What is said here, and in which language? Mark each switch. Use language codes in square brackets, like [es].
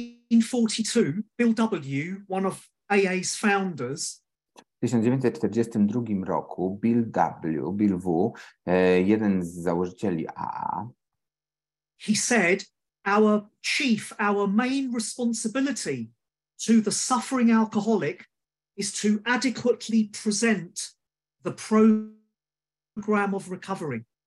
[en] In 1942, Bill W., one of AA's founders. [pl] W 1942 roku Bill W., jeden z założycieli AA. [en] He said, our main responsibility to the suffering alcoholic is to adequately present the program of recovery.